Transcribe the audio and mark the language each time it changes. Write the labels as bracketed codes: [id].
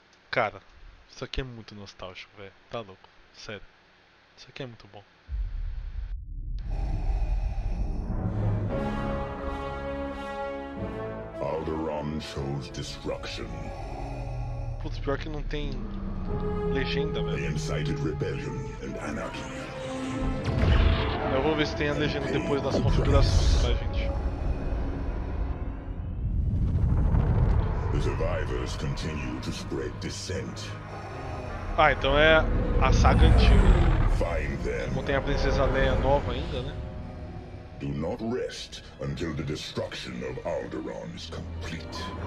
[pt] Cara, isso aqui é muito nostálgico, velho. Tá louco, sério. Isso aqui é muito bom. [en] Alderaan chose destruction. [pt] Putz, pior que não tem legenda, velho. [en] They incited rebellion and anarchy. [pt] Eu vou ver se tem a legenda depois das configurações, tá, gente? [en] The survivors continue to spread dissent. [pt] Ah, então é a saga antiga. [en] Find them. [pt] Como tem a princesa Leia nova ainda, né? [en] Do not rest until the destruction of Alderaan is complete.